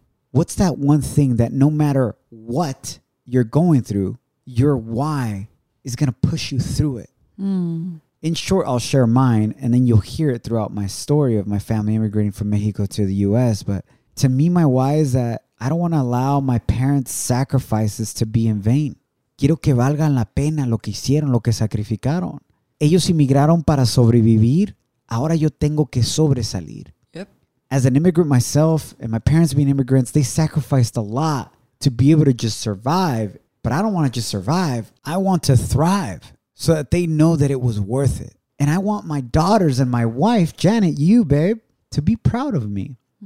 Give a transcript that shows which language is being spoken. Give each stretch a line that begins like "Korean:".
English: What's that one thing that no matter what you're going through, your why is going to push you through it? In short, I'll share mine, and then you'll hear it throughout my story of my family immigrating from Mexico to the U.S. But to me, my why is that I don't want to allow my parents' sacrifices to be in vain.
Spanish: Quiero que valga la pena lo que hicieron, lo que sacrificaron. Ellos inmigraron para sobrevivir. Ahora yo tengo que sobresalir.
English: Yep. As an immigrant myself, and my parents being immigrants, they sacrificed a lot to be able to just survive. But I don't want to just survive. I want to thrive. So that they know that it was worth it. And I want my daughters and my wife, Janet, you, babe, to be proud of me.